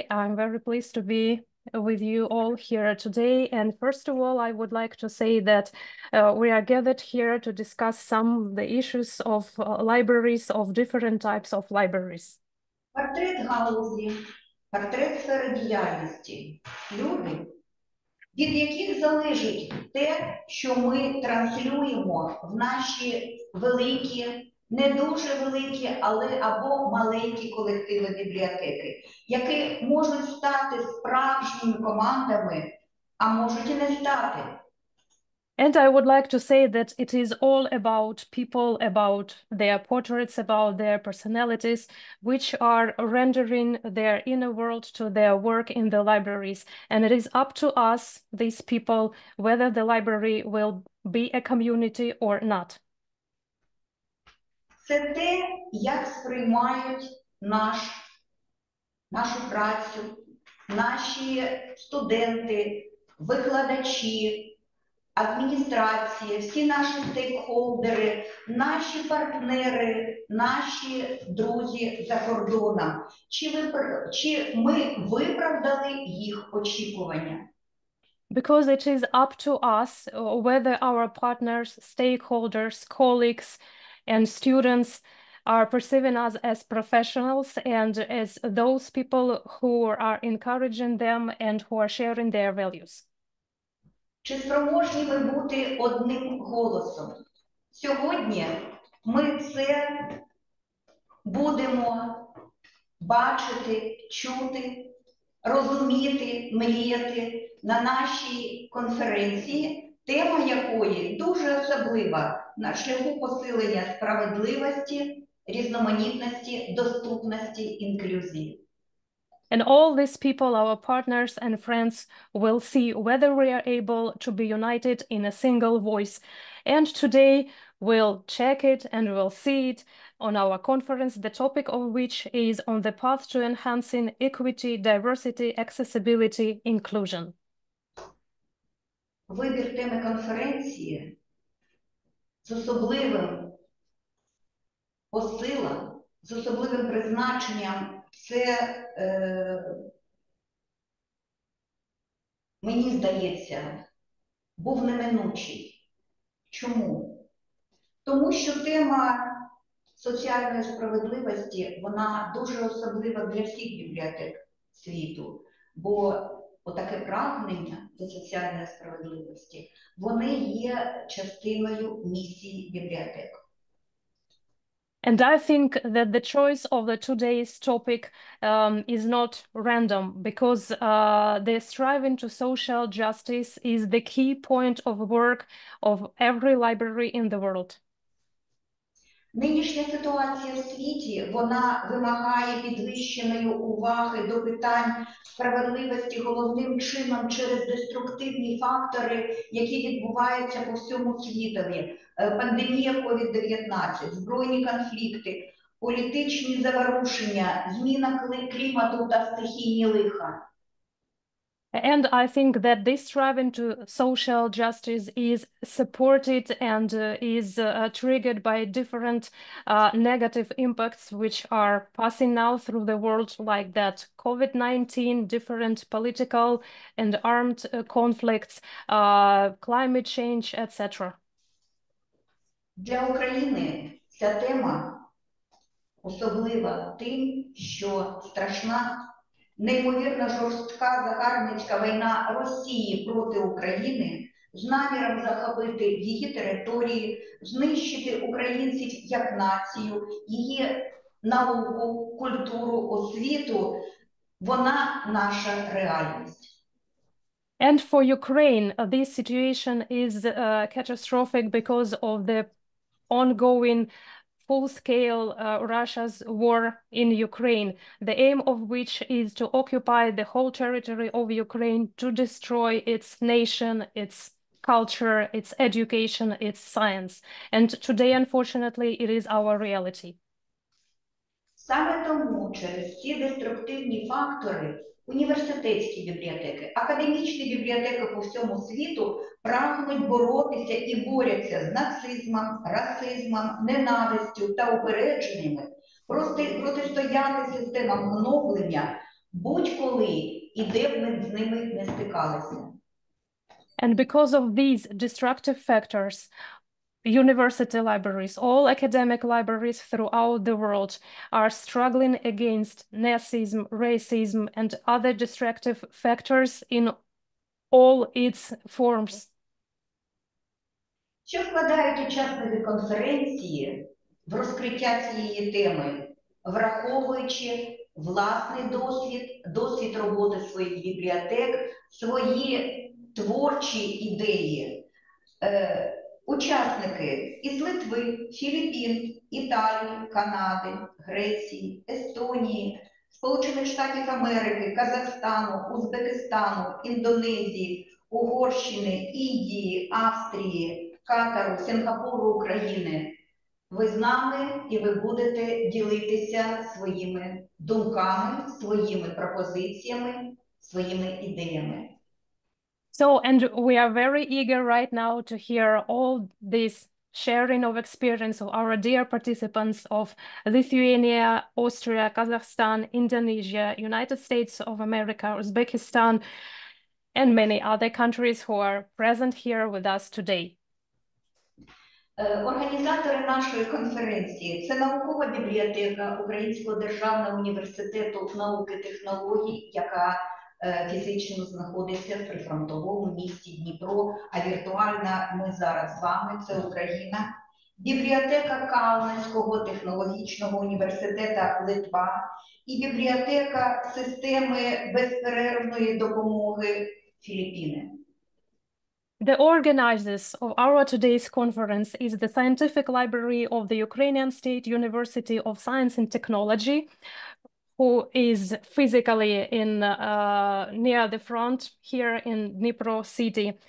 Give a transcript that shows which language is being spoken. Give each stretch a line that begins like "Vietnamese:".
English: I'm very pleased to be with you all here today. And first of all, I would like to say that we are gathered here to discuss some of the issues of libraries, of different types of libraries.
Ukrainian: Портрет галузі, портрет сфери діяльності, люди, від яких залежить те, що ми транслюємо в наші великі, не дуже великі, але або маленькі колективи бібліотеки, які можуть стати справжніми командами, а можуть і не стати.
English: And I would like to say that it is all about people, about their portraits, about their personalities, which are rendering their inner world to their work in the libraries. And it is up to us, these people, whether the library will be a community or not.
Ukrainian: Це те, як сприймають нашу працю, наші студенти, викладачі, адміністрація, всі наші стейкхолдери, наші партнери, наші друзі за кордоном. Чи ми виправдали їх очікування?
English: Because it is up to us whether our partners, stakeholders, colleagues and students are perceiving us as professionals and as those people who are encouraging them and who are sharing their values.
Ukrainian: Чи спроможні ми бути одним голосом? Сьогодні ми це будемо бачити, чути, розуміти, мріяти на нашій конференції, тема якої дуже особлива – на шляху посилення справедливості, різноманітності, доступності, інклюзії.
English: And all these people, our partners and friends, will see whether we are able to be united in a single voice. And today we'll check it and we'll see it on our conference, the topic of which is on the path to enhancing equity, diversity, accessibility, inclusion.
Ukrainian: Вибір теми конференції з особливим посилом, з особливим призначенням це, мені здається, був неминучий. Чому? Тому що тема соціальної справедливості, вона дуже особлива для всіх бібліотек світу, бо отаке прагнення до соціальної справедливості, вони є частиною місії бібліотек.
English: And I think that the choice of the today's topic is not random, because the striving to social justice is the key point of work of every library in the world.
Ukrainian: Нинішня ситуація в світі, вона вимагає підвищеної уваги до питань справедливості головним чином через деструктивні фактори, які відбуваються по всьому світові. Пандемія COVID-19, збройні конфлікти, політичні заворушення, зміна клімату та стихійні лиха.
English: And I think that this striving to social justice is supported and triggered by different negative impacts which are passing now through the world, like that COVID-19, different political and armed conflicts, climate change, etc.
Ukrainian: Для України ця тема особлива тим, що страшна, неймовірно жорстка загарбницька війна Росії проти України з наміром захопити її території, знищити українців як націю, її науку, культуру, освіту, вона наша реальність.
English: And for Ukraine, this situation is catastrophic because of the ongoing full-scale Russia's war in Ukraine, the aim of which is to occupy the whole territory of Ukraine, to destroy its nation, its culture, its education, its science. And today, unfortunately, it is our reality.
Ukrainian: Саме тому через ці деструктивні фактори університетські бібліотеки, академічні бібліотеки по всьому світу прагнуть боротися і борються з нацизмом, расизмом, ненавистю та упередженнями, протистояти системам гноблення будь-коли і де б ми з ними не стикалися.
English: And because of these destructive factors, university libraries, all academic libraries throughout the world are struggling against nazism, racism, and other destructive factors in all its forms.
Ukrainian: Що вкладають учасники конференції в розкриття цієї теми, враховуючи власний досвід, досвід роботи своїх бібліотек, свої творчі ідеї? Учасники із Литви, Філіппін, Італії, Канади, Греції, Естонії, Сполучених Штатів Америки, Казахстану, Узбекистану, Індонезії, Угорщини, Індії, Австрії, Катару, Сінгапуру, України. Ви з нами і ви будете ділитися своїми думками, своїми пропозиціями, своїми ідеями.
English: So, and we are very eager right now to hear all this sharing of experience of our dear participants of Lithuania, Austria, Kazakhstan, Indonesia, United States of America, Uzbekistan, and many other countries who are present here with us today.
Ukrainian: Організатори нашої конференції – це Наукова бібліотека Українського державного університету науки і технологій, яка фізично знаходиться в прифронтовому місті Дніпро, а віртуально ми зараз з вами, це Україна. Бібліотека Каунаського технологічного університету Литва і бібліотека системи безперервної допомоги Філіппіни.
English: The organizers of our today's conference is the Scientific Library of the Ukrainian State University of Science and Technology, who is physically in near the front here in Dnipro city.